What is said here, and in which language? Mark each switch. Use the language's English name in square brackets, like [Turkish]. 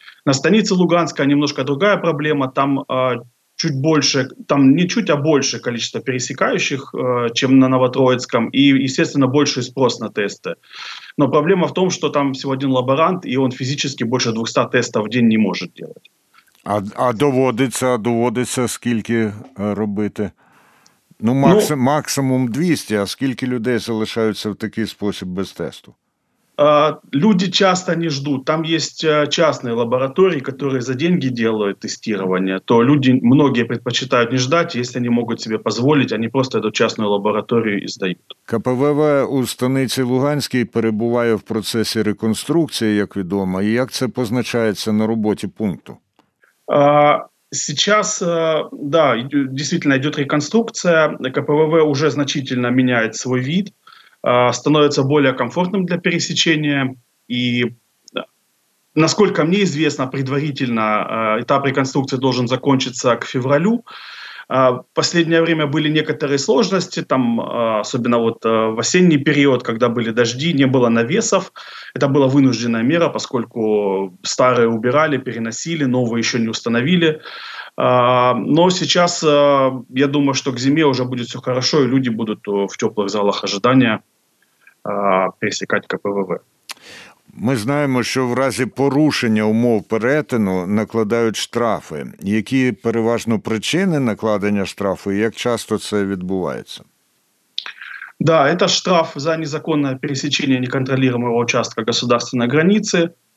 [Russian] На станице Луганская немножко другая проблема. Там чуть больше, там не чуть, а больше количество пересекающих, чем на Новотроицком. И, естественно, больше спрос на тесты. Но проблема в том, что там всего один лаборант, и он физически больше 200 тестов в день не может делать. [Ukrainian] А доводится, скільки робити? Ну, максимум 200, а скільки людей залишаються в такий спосіб без тесту? [Russian] Люди часто не ждут. Там есть частные лаборатории, которые за деньги делают тестирование. То люди, многие предпочитают не ждать, если они могут себе позволить, они просто эту частную лабораторию и сдают. [Ukrainian] КПВВ у Станиці Луганській перебуває в процесі реконструкції, як відомо. І як це позначається на роботі пункту? [Russian] Сейчас, да, действительно идет реконструкция. КПВВ уже значительно меняет свой вид, становится более комфортным для пересечения. И, насколько мне известно, предварительно этап реконструкции должен закончиться к февралю. В последнее время были некоторые сложности, там, особенно вот в осенний период, когда были дожди, не было навесов. Это была вынужденная мера, поскольку старые убирали, переносили, новые еще не установили. Но сейчас, я думаю, что к зиме уже будет все хорошо, и люди будут в теплых залах ожидания пересекать КПВВ. [Ukrainian] Ми знаємо, що в разі порушення умов перетину накладають штрафи. Які переважно причини накладення штрафу і як часто це відбувається? [Russian] Да, это штраф за незаконное пересечение неконтролируемого участка государственной границы.